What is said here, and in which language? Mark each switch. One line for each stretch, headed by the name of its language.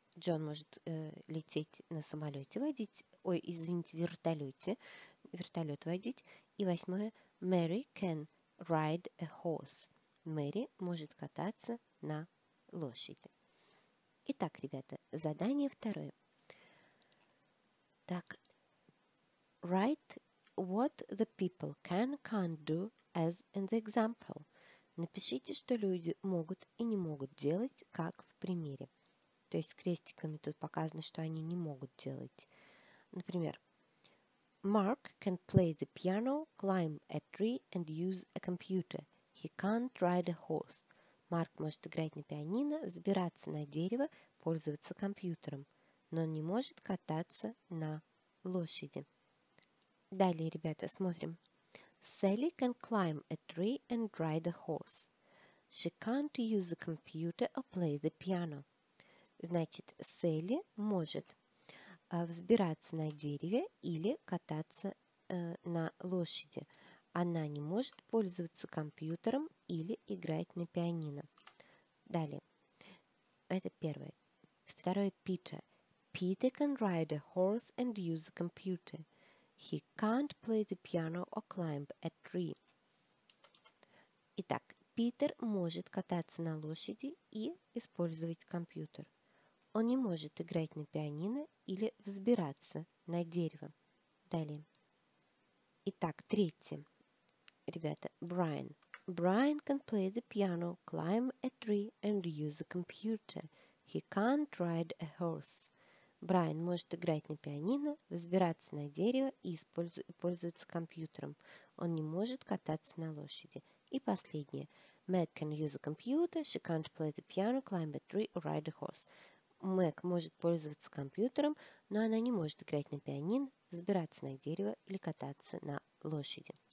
Russian: Джон может лететь на самолете водить. Ой, извините, вертолете. Вертолет водить. И восьмое.
English: Mary can ride a horse.
Russian: Мэри может кататься на лошади. Итак, ребята, задание второе.
English: Так, write what the people can't do as in the example.
Russian: Напишите, что люди могут и не могут делать, как в примере. То есть крестиками тут показано, что они не могут делать. Например,
English: Mark can play the piano, climb a tree and use a computer. He can't ride a horse.
Russian: Марк может играть на пианино, взбираться на дерево, пользоваться компьютером, но он не может кататься на лошади. Далее, ребята, смотрим.
English: Sally can climb a tree and ride a horse. She can't use the computer or play the piano.
Russian: Значит, Sally может взбираться на дереве или кататься на лошади. Она не может пользоваться компьютером или играть на пианино. Далее. Это первое. Второе. Peter.
English: Peter can ride a horse and use a computer. He can't play the piano or climb a tree.
Russian: Итак, Питер может кататься на лошади и использовать компьютер. Он не может играть на пианино или взбираться на дерево. Далее. Итак, третье. Ребята, Brian.
English: Brian can play the piano, climb a tree and use a computer. He can't ride a horse.
Russian: Brian может играть на пианино, взбираться на дерево и пользоваться компьютером. Он не может кататься на лошади. И последнее.
English: Meg can use a computer, she can't play the piano, climb a tree or ride a horse.
Russian: Meg может пользоваться компьютером, но она не может играть на пианино, взбираться на дерево или кататься на лошади.